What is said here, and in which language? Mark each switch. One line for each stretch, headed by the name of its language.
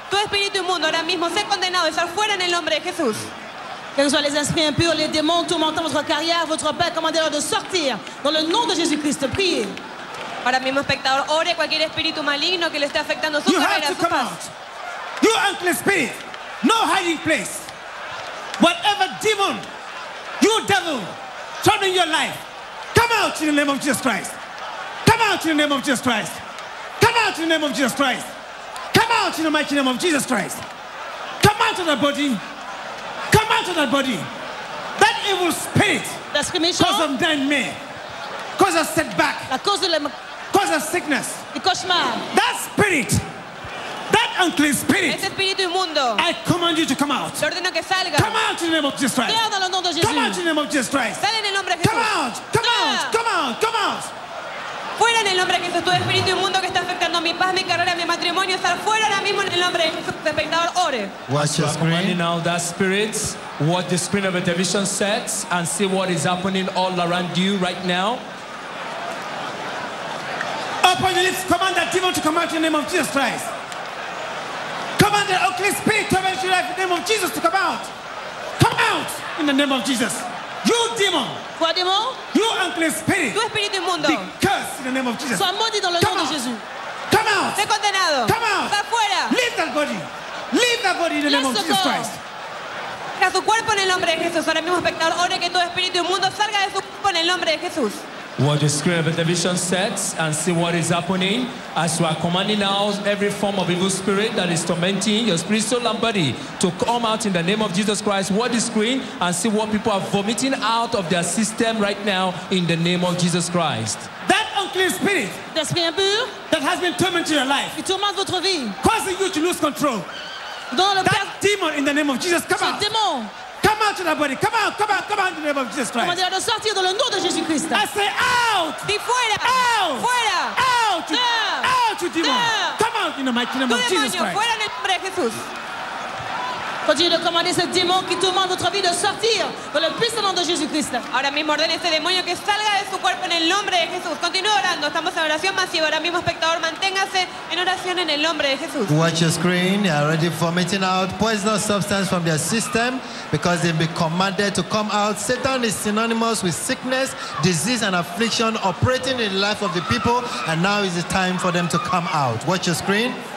Spanish: Tu espíritu inmundo ahora mismo sé condenado a estar fuera en el nombre de Jesús.
French: Que soient les esprits impurs, les démons tourmentant votre carrière, votre père, commandez-leur de sortir dans le nom de Jésus-Christ. Priez!
Spanish: Ahora mismo espectador, ore cualquier espíritu maligno que le esté afectando su carrera, su paz.
English: You have to come out! You unclean spirit! No hiding place! Whatever demon, you devil, troubling your life, come out in the name of Jesus Christ. Come out in the name of Jesus Christ. Come out in the name of Jesus Christ. Come out in the mighty name of Jesus Christ. Come out of that body. Come out of that body. That evil spirit, cause of dying me, cause of setback, cause of sickness, that spirit, that unclean spirit,
Spanish: este espíritu inmundo,
English: I command you to come out.
Spanish: Te ordeno que salga.
English: Come out in the name of Jesus Christ.
Spanish: Salga en el nombre de Jesús.
English: Come out in the name of Jesus Christ.
Spanish: Sal en el nombre de Jesús.
English: Come out, come out, come out, come out.
Spanish: Fuera en el nombre de Jesús, tu espíritu inmundo que está afectando mi paz, mi carrera, mi matrimonio, sal fuera ahora mismo en el nombre de Jesús. Espectador, ore.
English: Watch your screen. I'm commanding now that spirit, what the screen of a television sets, and see what is happening all around you right now. A power upon your lips. Command that demon to come out in the name of Jesus Christ. Command the ugly spirit to avenge your life in the name of Jesus to come out. Come out in the name of Jesus. You demon.
French: Quoi, démon?
English: You ugly spirit.
French: Tu esprit du monde.
English: Be cursed in the name of Jesus.
French: Sois maudit dans le nom de Jésus.
English: Come out.
Spanish: Sé condenado.
English: Come out.
Spanish: Va fuera.
English: Leave that body. Leave that body in the name of Jesus Christ.
Spanish: Tira su cuerpo en el nombre de Jesús. Ahora mismo, espectador, ore que todo espíritu inmundo salga de su cuerpo en el nombre de Jesús.
English: What the screen of the television sets and see what is happening as you are commanding out every form of evil spirit that is tormenting your spirit, soul, and body to come out in the name of Jesus Christ. What the screen and see what people are vomiting out of their system right now in the name of Jesus Christ. That unclean spirit that has been tormenting your life,
French: qui tourmente votre vie,
English: causing you to lose control. That demon in the name of Jesus, come out.
French: Démon.
English: Come out to that body. Come out, come out, come out in the name of Jesus Christ.
French: Commandez-la de sortir dans le nom de Jésus Christ.
English: I say out.
Spanish: Di fuera.
English: Out.
Spanish: Fuera.
English: Out. Out, you demon. Come out in the mighty name of Jesus Christ.
Spanish: Fuera en el nombre de Jesús.
French: Continue de commander ce démon qui tourmente votre vie de sortir dans le puissant nom de Jésus Christ.
Spanish: Ahora mismo ordene ese demonio que salga de su cuerpo en el nombre de Jesús. Continúe orando. Estamos en oración masiva. Ahora mismo, espectador, manténgase en oración en el nombre de Jesús.
English: Watch your screen. They are already vomiting out poisonous substance from their system because they've been commanded to come out. Satan is synonymous with sickness, disease, and affliction operating in the life of the people. And now is the time for them to come out. Watch your screen.